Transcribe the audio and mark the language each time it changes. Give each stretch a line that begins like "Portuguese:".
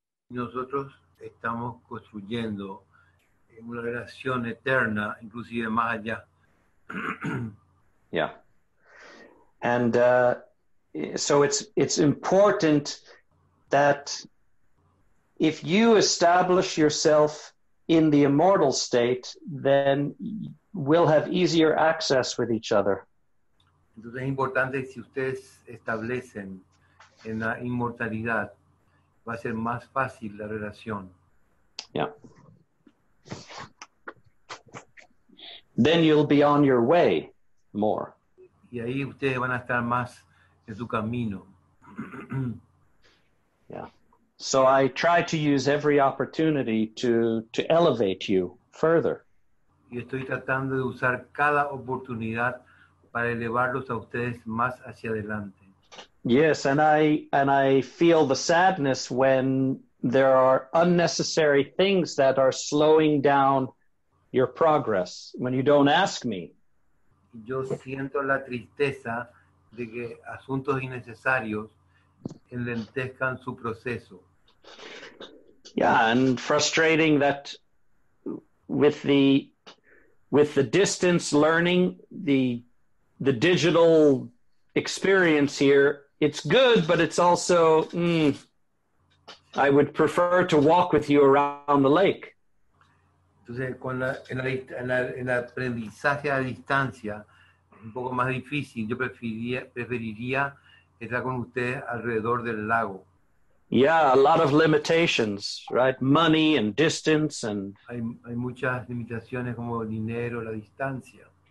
Spanish: Nosotros estamos construyendo una relación eterna, inclusive más allá.
English: Yeah. And so it's important that if you establish yourself in the immortal state, then we'll have easier access with each other.
Spanish: Entonces es importante si ustedes establecen en la inmortalidad, va a ser más fácil la relación.
English: Yeah. Then you'll be on your way more.
Spanish: Y ahí ustedes van a estar más en su camino.
English: Yeah. So I try to use every opportunity to elevate you further.
Spanish: Y estoy tratando de usar cada oportunidad para elevarlos a ustedes más hacia adelante.
English: Yes, and I feel the sadness when there are unnecessary things that are slowing down your progress, when you don't ask me.
Spanish: Yo siento la tristeza de que asuntos innecesarios enlentezcan su proceso.
English: Yeah, and frustrating that with the distance learning, the digital experience here, it's good, but it's also, I would prefer to walk with you around the lake.
Spanish: Entonces, en el aprendizaje a distancia, es un poco más difícil. Yo preferiría estar con usted alrededor del lago.
English: Yeah, a lot of limitations, right? Money and distance and...
Spanish: Hay muchas limitaciones como dinero, la distancia.